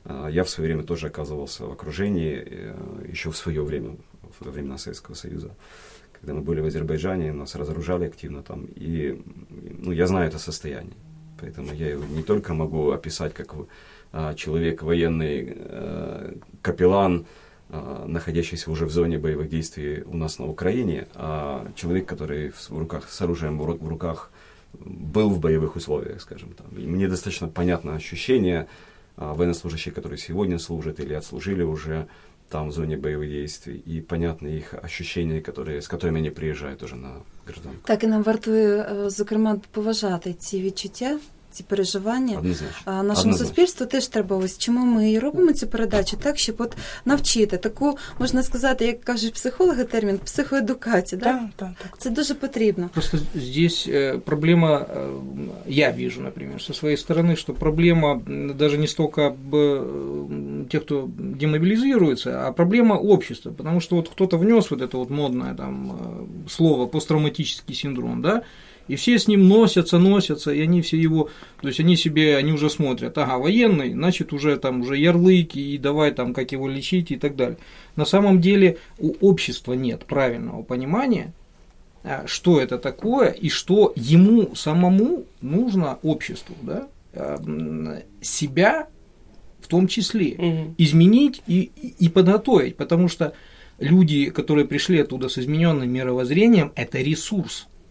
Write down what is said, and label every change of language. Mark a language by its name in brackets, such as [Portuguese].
[Russian] Я в свое время тоже оказывался в окружении, еще в свое время, во времена Советского Союза, когда мы были в Азербайджане, нас разоружали активно там, и я знаю это состояние, поэтому я его не только могу описать как человек военный, капеллан, находящийся уже в зоне боевых действий у нас на Украине, а человек, который с оружием в руках был в боевых условиях, скажем так. И мне достаточно понятно ощущение военнослужащих, которые сегодня служат или отслужили уже там в зоне боевых действий, и понятно их ощущения, с которыми они приезжают уже на гражданку. [Ukrainian] Так, и нам вартує, зокрема, поважати ці відчуття, ці переживання. Нашому суспільству теж треба ось. Чому ми і робимо цю передачу так, щоб от навчити. Таку, можна сказати, як кажуть психологи термін, психоедукація. [Russian] Да? [Ukrainian] Так. Це дуже потрібно. [Russian] Просто здесь проблема, я вижу, [Ukrainian] наприклад, зі своєї сторони, що проблема навіть не стільки тих, хто демобілізується, [Russian] а проблема общества. [Ukrainian] Тому що от [Russian] хто-то внес вот это вот модное там слово посттравматический синдром, да, и все с ним носятся, и они все его, то есть они себе, они уже смотрят, ага, военный, значит, уже там уже ярлык, и давай там как его лечить и так далее. На самом деле у общества нет правильного понимания, что это такое, и что ему самому нужно обществу, да, себя в том числе изменить и подготовить, потому что люди, которые пришли оттуда с измененным мировоззрением, это ресурс.